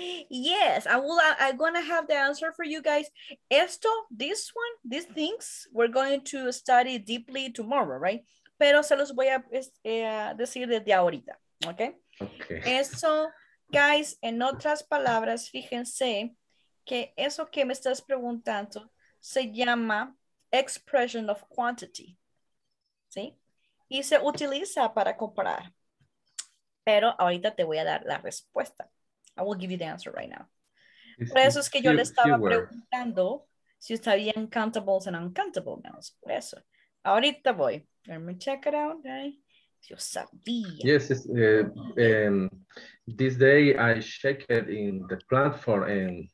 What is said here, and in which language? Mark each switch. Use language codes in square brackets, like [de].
[en] Yes, I'm gonna have the answer for you guys. [es] Esto, [en] this one, these things, we're going to study deeply tomorrow, right? [es] Pero se los voy a decir desde ahorita, okay? [en] Okay. [es] Eso, guys, en otras palabras, fíjense que eso que me estás preguntando se llama [en] expression of quantity, [es] ¿sí? Y se utiliza para comparar. Pero ahorita te voy a dar la respuesta. [en] I will give you the answer right now. [es] Por eso es que yo le estaba preguntando si sabían [en] countables and uncountable nouns. [es] Por eso. Ahorita voy. [en] Let me check it out. Right? [es] Yo sabía. [en] Yes, this day I checked in the platform and...